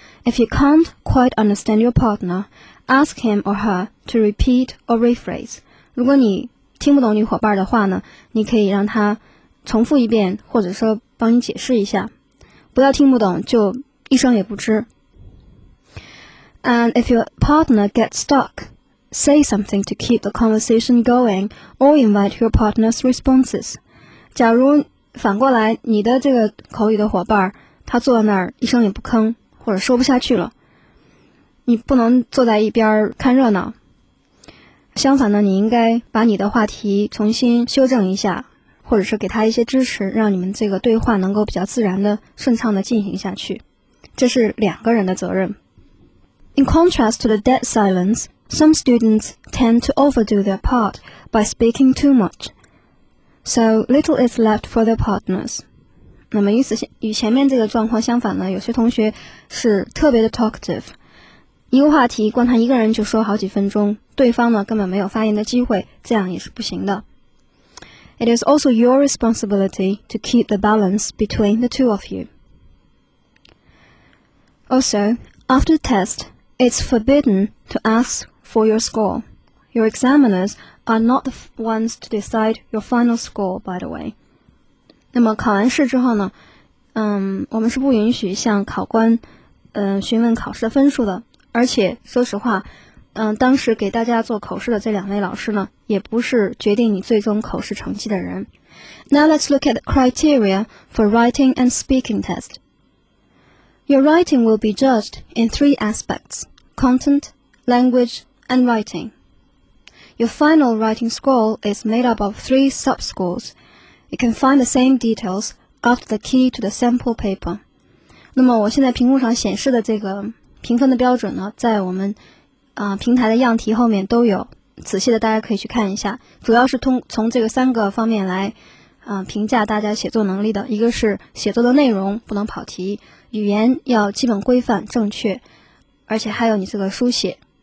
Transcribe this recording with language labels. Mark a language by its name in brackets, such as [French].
[English] If you can't quite understand your partner, ask him or her to repeat or rephrase. [Chinese] 如果你听不懂你伙伴的话呢，你可以让他重复一遍，或者说帮你解释一下。不要听不懂就一声也不吱。 [English] And if your partner gets stuck, say something to keep the conversation going or invite your partner's responses. [Chinese] 假如反过来你的这个口语的伙伴他坐在那儿一声也不吭，或者说不下去了，你不能坐在一边看热闹。相反呢，你应该把你的话题重新修正一下，或者是给他一些支持，让你们这个对话能够比较自然的顺畅的进行下去，这是两个人的责任。 [English] In contrast to the dead silence, some students tend to overdo their part by speaking too much, so little is left for their partners. [Chinese] 那么与前面这个状况相反呢，有些同学是特别的 talkative，一个话题光他一个人就说好几分钟，对方呢根本没有发言的机会，这样也是不行的。 [English] It is also your responsibility to keep the balance between the two of you. Also, after the test, it's forbidden to ask for your score. Your examiners are not the ones to decide your final score, by the way. [Chinese] 那么考完试之后呢，我们是不允许向考官询问考试的分数的。而且说实话，当时给大家做口试的这两位老师呢，也不是决定你最终口试成绩的人。 [English] Now let's look at the criteria for writing and speaking test. Your writing will be judged in three aspects: content, language, and writing. Your final writing score is made up of three sub-scores. You can find the same details after the key to the sample paper. [Chinese] 那么我现在屏幕上显示的这个评分的标准呢，在我们平台的样题后面都有，仔细的大家可以去看一下。主要是从这个三个方面来评价大家写作能力的，一个是写作的内容不能跑题，语言要基本规范正确，而且还有你这个书写。